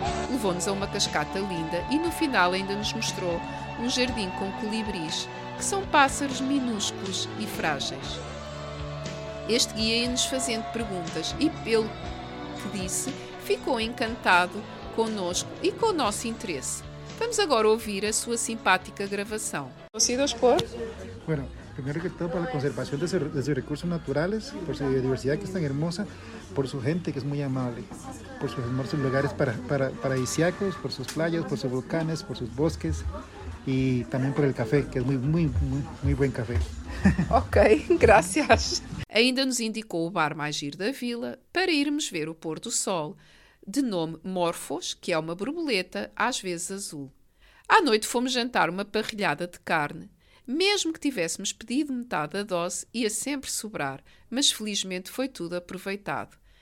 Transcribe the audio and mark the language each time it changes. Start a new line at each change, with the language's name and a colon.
Portuguese: Levou-nos a uma cascata linda e no final ainda nos mostrou um jardim com colibris, que são pássaros minúsculos e frágeis. Este guia ia-nos fazendo perguntas e, pelo que disse, ficou encantado connosco e com o nosso interesse. Vamos agora ouvir a sua simpática gravação. Conseguiu expor?
Spanish: Bueno, primero que todo para la conservación de sus recursos naturales, por su biodiversidad que es tan hermosa, por su gente que es muy amable, por sus hermosos lugares paradisíacos, por sus playas, por sus volcanes, por sus bosques y también por el café, que es muy, muy, muy, muy buen café. Ok, gracias.
Portuguese: Ainda nos indicou o bar mais giro da vila para irmos ver o pôr do sol, de nome Morfos, que é uma borboleta, às vezes azul. À noite fomos jantar uma parrilhada de carne. Mesmo que tivéssemos pedido metade da dose, ia sempre sobrar, mas felizmente foi tudo aproveitado.